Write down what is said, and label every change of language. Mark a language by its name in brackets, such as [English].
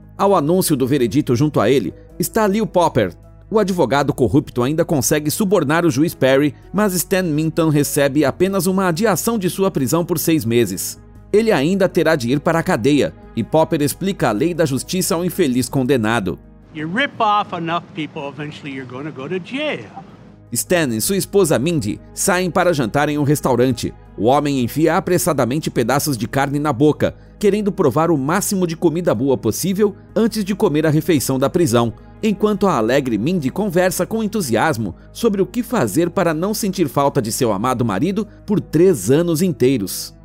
[Portuguese] Ao anúncio do veredito junto a ele, está Leo Popper. O advogado corrupto ainda consegue subornar o juiz Perry, mas Stan Minton recebe apenas uma adiação de sua prisão por 6 meses. Ele ainda terá de ir para a cadeia, e Popper explica a lei da justiça ao infeliz condenado. [English] You rip off enough people, eventually you're gonna go to jail. [Portuguese] Stan e sua esposa Mindy saem para jantar em um restaurante. O homem enfia apressadamente pedaços de carne na boca, querendo provar o máximo de comida boa possível antes de comer a refeição da prisão, enquanto a alegre Mindy conversa com entusiasmo sobre o que fazer para não sentir falta de seu amado marido por 3 anos inteiros.